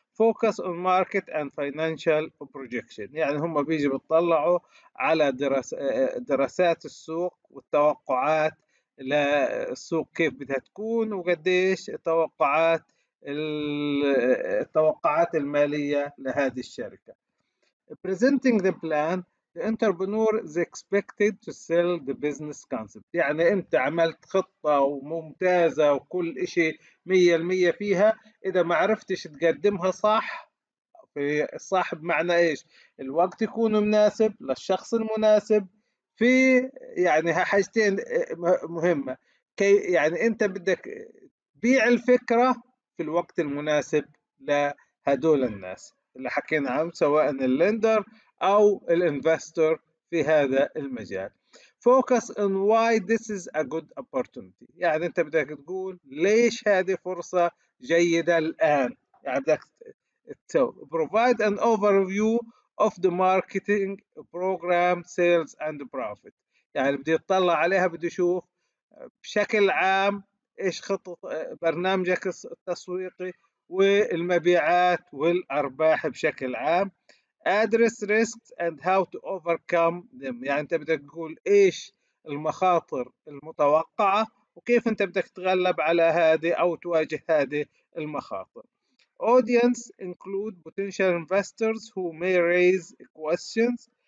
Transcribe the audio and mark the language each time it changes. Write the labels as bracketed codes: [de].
[en] focus on market and financial projection، [ar] يعني هم بيجي بتطلعوا على دراسات السوق والتوقعات للسوق كيف بدها تكون وقديش التوقعات المالية لهذه الشركة. [en] Presenting the plan, the entrepreneur is expected to sell the business concept. [ar] يعني أنت عملت خطة وممتازة وكل إشي 100% فيها، إذا ما عرفتش تقدمها صح، في صح بمعنى إيش؟ الوقت يكون مناسب للشخص المناسب. في يعني حاجتين مهمة، كي يعني أنت بدك تبيع الفكرة في الوقت المناسب لهدول الناس اللي حكينا عنهم، سواء اللندر او الانفستور في هذا المجال. [en] focus on why this is a good opportunity. [ar] يعني انت بدك تقول ليش هذه فرصة جيدة الآن. يعني بدك [en] provide an overview of the marketing program, sales and profit. [ar] يعني بدي اطلع عليها بدي اشوف بشكل عام ايش خطط برنامجك التسويقي والمبيعات والارباح بشكل عام. [en] Address risks and how to overcome them. [ar] يعني انت بدك تقول ايش المخاطر المتوقعة وكيف انت بدك تتغلب على هذه او تواجه هذه المخاطر. [en] Audience include potential investors who may raise questions.